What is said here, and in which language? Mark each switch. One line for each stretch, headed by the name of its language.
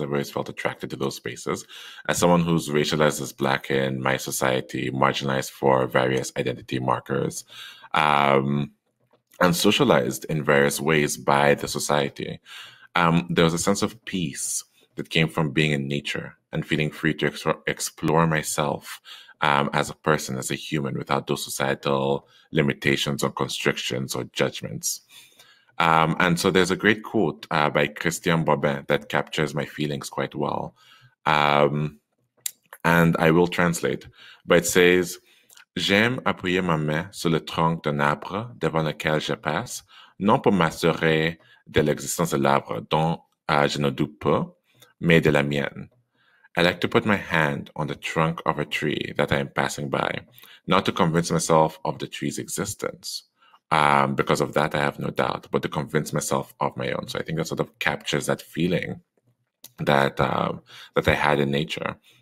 English: I've always felt attracted to those spaces. As someone who's racialized as Black in my society, marginalized for various identity markers, and socialized in various ways by the society, there was a sense of peace that came from being in nature and feeling free to explore myself as a person, as a human, without those societal limitations or constrictions or judgments. And so there's a great quote by Christian Bobin that captures my feelings quite well. And I will translate, but it says,
French: "J'aime appuyer ma main sur le tronc d'un arbre devant lequel je passe, non pour m'assurer de l'existence de l'arbre dont je ne doute pas, mais de la mienne.
English: I like to put my hand on the trunk of a tree that I am passing by, not to convince myself of the tree's existence. Because of that, I have no doubt, but to convince myself of my own." So I think that sort of captures that feeling that that I had in nature.